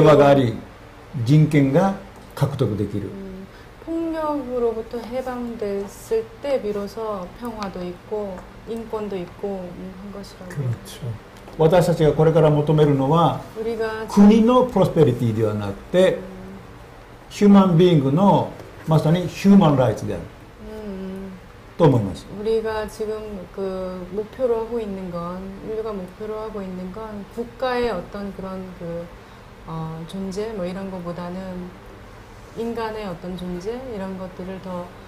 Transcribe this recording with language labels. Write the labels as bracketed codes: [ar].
[ja] 暴力から解放されて初めて平和があり人権が獲得できる [ko] 폭력으로부터 해방됐을 때 비로소 평화도 있고 인권도 있고 한 것이라고 그렇죠 [ja] 私たちがこれから求めるのは 国のプロスペリティではなくて human being의 まさに human rights である と思います [ko] 우리가 지금 그 목표로 하고 있는 건 인류가 목표로 하고 있는 건 국가의 어떤 그런 그 존재 뭐 이런 것보다는 인간의 어떤 존재 이런 것들을 더